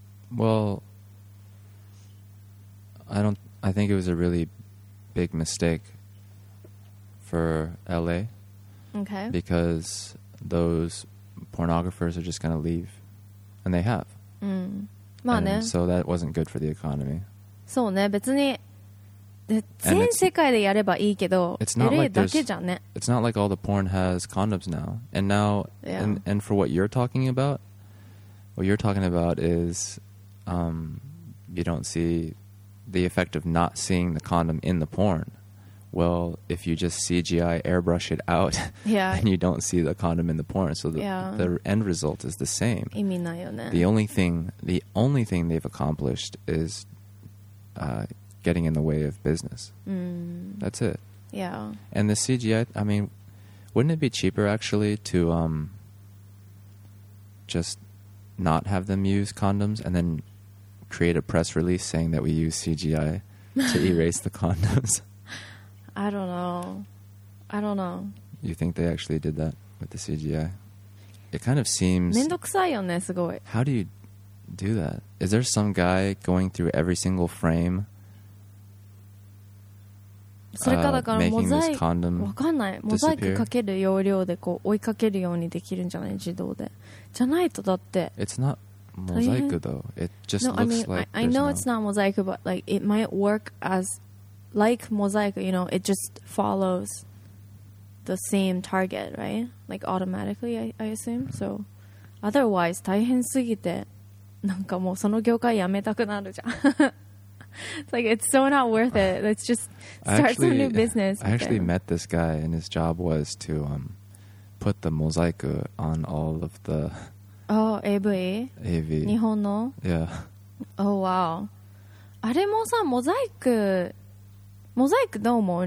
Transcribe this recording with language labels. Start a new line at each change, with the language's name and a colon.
English: Well, I think it was a really big mistake for LA. Okay. Because those pornographers are just going to leave. And they have.
Japanese: まあね.
English: And so that wasn't good for the economy.
Japanese: そうね、別に全世界でやればいいけど、LAだけじゃんね。
English: It's not like all the porn has condoms now. And now, yeah. and for what you're talking about, what you're talking about is you don't see the effect of not seeing the condom in the porn. Well, if you just CGI airbrush it out, yeah. then you don't see the condom in the porn. So the end result is the same.
Japanese: 意味ないよね。
English: The only thing they've accomplished is getting in the way of business. That's it. Yeah. And the CGI, I mean, wouldn't it be cheaper actually to just not have them use condoms and then create a press release saying that we use CGI to erase the condoms? I don't know. You think they actually did that with the CGI? It kind of seems...
Japanese: めんどくさいよね、すごい。
English: How do you do that? Is there some guy going through every single frame?
Japanese: それかだからモザイク、わかんない。モザイクかける要領でこう追いかけるようにできるんじゃない、自動で。じゃないとだって。
English: It's not... Mosaic though, it just no, looks I mean, like I know it's not mosaic, but like it might work as like mosaic, you know, it just follows the same target, right? Like automatically, I assume. So otherwise,
Japanese: 大変すぎてなんかもうその業界やめたくなるじゃん
English: It's like it's so not worth it. Let's just start some new business. I actually met this guy, and his job was to put the mosaic on all of the. Oh, AV? AV.
Japanese: 日本の?
English: Yeah. Oh, wow.
Japanese: あれもさ、モザイク、モザイクどう思う?